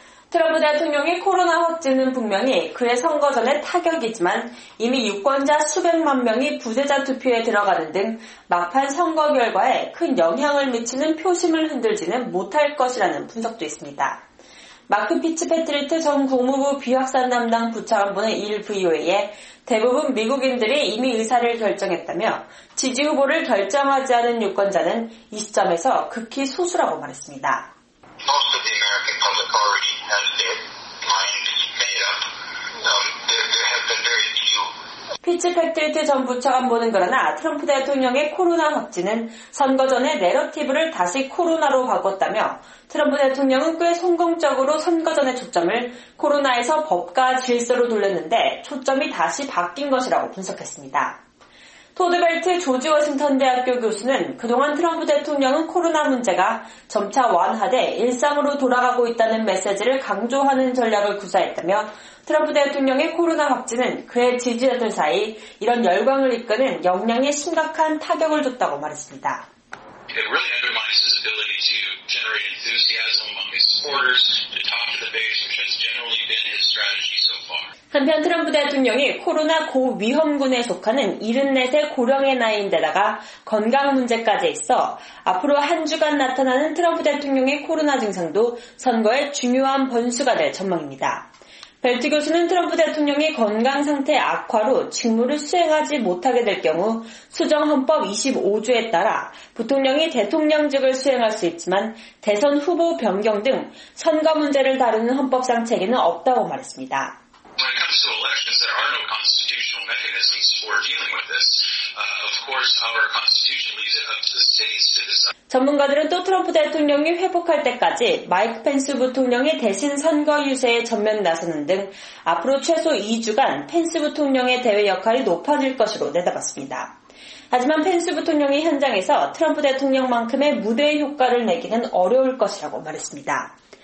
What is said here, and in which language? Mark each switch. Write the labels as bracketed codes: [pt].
[ko] 트럼프 대통령의 코로나 확진은 분명히 그의 선거 전에 타격이지만 이미 유권자 수백만 명이 부재자 투표에 들어가는 등 막판 선거 결과에 큰 영향을 미치는 표심을 흔들지는 못할 것이라는 분석도 있습니다. 마크 피츠패트리트 전 국무부 비확산 담당 부차관보는 1일 VOA에 대부분 미국인들이 이미 의사를 결정했다며 지지 후보를 결정하지 않은 유권자는 이 시점에서 극히 소수라고 말했습니다. [en] Most of the American public already has their minds made up. There have been very few. [ko] 피츠패트리트 전 부차관보는 그러나 트럼프 대통령의 코로나 확진은 선거 전에 내러티브를 다시 코로나로 바꿨다며 트럼프 대통령은 꽤 성공적으로 선거 전의 초점을 코로나에서 법과 질서로 돌렸는데 초점이 다시 바뀐 것이라고 분석했습니다. 토드 벨트 조지 워싱턴 대학교 교수는 그동안 트럼프 대통령은 코로나 문제가 점차 완화돼 일상으로 돌아가고 있다는 메시지를 강조하는 전략을 구사했다며 트럼프 대통령의 코로나 확진은 그의 지지자들 사이 이런 열광을 이끄는 역량에 심각한 타격을 줬다고 말했습니다. [en] It really undermines his ability to generate enthusiasm among his supporters to talk to the base, which has generally been his strategy so far. [ko] 한편 트럼프 대통령이 코로나 고위험군에 속하는 74세 고령의 나이인데다가 건강 문제까지 있어 앞으로 한 주간 나타나는 트럼프 대통령의 코로나 증상도 선거의 중요한 변수가 될 전망입니다. 벨트 교수는 트럼프 대통령이 건강 상태 악화로 직무를 수행하지 못하게 될 경우 수정 헌법 25조에 따라 부통령이 대통령직을 수행할 수 있지만 대선 후보 변경 등 선거 문제를 다루는 헌법상 체계는 없다고 말했습니다. [en] When it comes to elections, there are no constitutional mechanisms for dealing with this. Of course, our constitution leaves it up to the states to decide. [ko] 전문가들은 또 트럼프 대통령이 회복할 때까지 마이크 펜스 부통령의 대신 선거 유세에 전면 나서는 등 앞으로 최소 2주간 펜스 부통령의 대외 역할이 높아질 것으로 내다봤습니다. 하지만 펜스 부통령이 현장에서 트럼프 대통령만큼의 무대 효과를 내기는 어려울 것이라고 말했습니다.